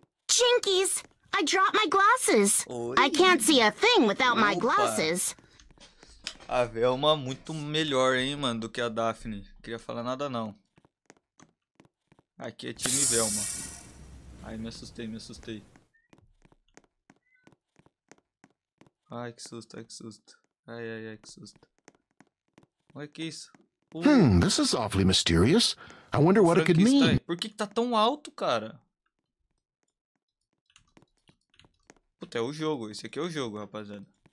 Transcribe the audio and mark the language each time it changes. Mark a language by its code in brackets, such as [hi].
[en] Jinkies, I dropped my glasses. Oi. I can't see a thing without my glasses. [pt] A Velma muito melhor, hein, mano, do que a Daphne. Queria falar nada, não. Aqui é time Velma. Ai, me assustei. Ai, que susto. Ai, que susto. Olha que isso. [en] This is awfully mysterious. I wonder what it could mean. [pt] Por que que tá tão alto, cara? Puta, é o jogo. Esse aqui é o jogo, rapaziada.